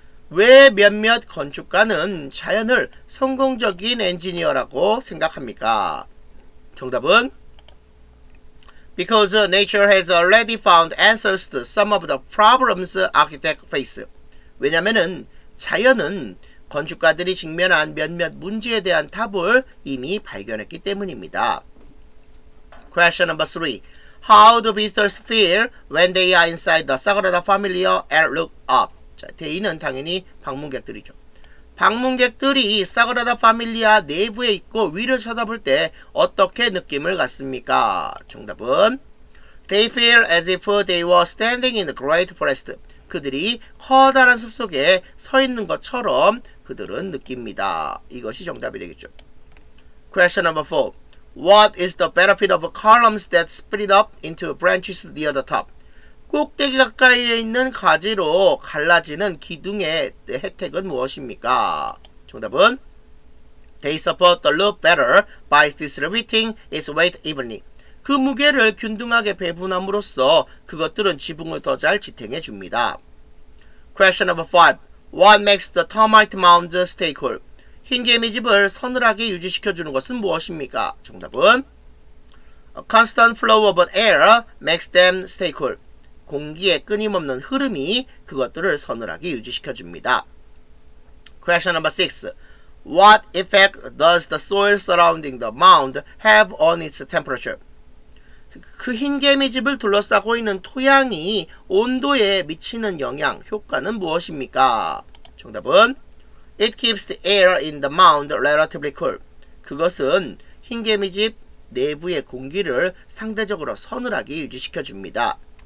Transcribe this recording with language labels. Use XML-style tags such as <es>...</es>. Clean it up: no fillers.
<ko>왜 몇몇 건축가는 자연을 성공적인 엔지니어라고 생각합니까? 정답은</ko> <en>Because nature has already found answers to some of the problems architects face.</en> <ko>왜냐면은 자연은 건축가들이 직면한 몇몇 문제에 대한 답을 이미 발견했기 때문입니다.</ko> <en>Question number 3. How do visitors feel when they are inside the Sagrada Familia and look up?</en> <ko>자, 대인은 당연히 방문객들이죠. 방문객들이 사그라다 파밀리아 내부에 있고 위를 쳐다볼 때 어떻게 느낌을 갖습니까? 정답은</ko> <en>They feel as if they were standing in a great forest.</en> <ko>그들이 커다란 숲 속에 서 있는 것처럼 그들은 느낍니다. 이것이 정답이 되겠죠.</ko> <en>Question number 4. What is the benefit of columns that split up into branches near the top?</en> <ko>꼭대기 가까이에 있는 가지로 갈라지는 기둥의 혜택은 무엇입니까? 정답은</ko> <en>They support the loop better by distributing its weight evenly.</en> <ko>그 무게를 균등하게 배분함으로써 그것들은 지붕을 더 잘 지탱해 줍니다.</ko> <en>Question number 5. What makes the termite mound stay cool?</en> <ko>흰개미 집을 서늘하게 유지시켜주는 것은 무엇입니까? 정답은</ko> <en>A constant flow of air makes them stay cool.</en> <ko>공기의 끊임없는 흐름이 그것들을 서늘하게 유지시켜줍니다.</ko> <en>Question number 6. What effect does the soil surrounding the mound have on its temperature?</en> <ko>그 흰개미 집을 둘러싸고 있는 토양이 온도에 미치는 영향, 효과는 무엇입니까? 정답은</ko> <en>It keeps the air in the mound relatively cool.</en> <ko>그것은 흰개미 집 내부의 공기를 상대적으로 서늘하게 유지시켜줍니다.</ko>